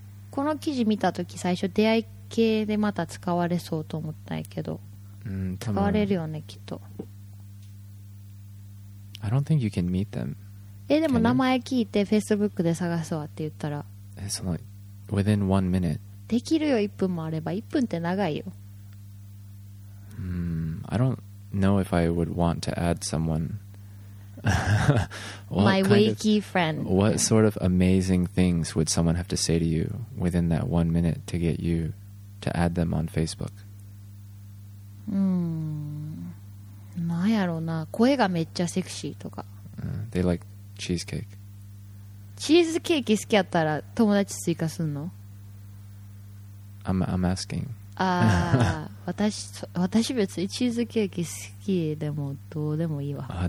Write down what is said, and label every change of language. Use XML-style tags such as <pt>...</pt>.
<ja>この記事見たとき、最初出会い系でまた使われそうと思ったんやけど。使われるよね、きっと。</ja> <en>I don't think you can meet them.</en> <ja>え、でも名前聞いて Facebook で探すわって言ったら。え、その、</ja> <en>within 1 minute.</en> <ja>できるよ1分もあれば1分って長いよ。</ja> <en>I don't know if I would want to add someone. My wakey friend. What sort of amazing things would someone have to say to you within that 1 minute to get you to add them on Facebook?</en> <ja>なんやろうな、声がめっちゃセクシーとか。</ja> <en>They like cheesecake.</en> <ja>チーズケーキ好きやったら友達追加すんの?</ja> <en>I'm asking.</en> <ja>Ah, 私別にチーズケーキ好きでもどうでもいいわ。</ja>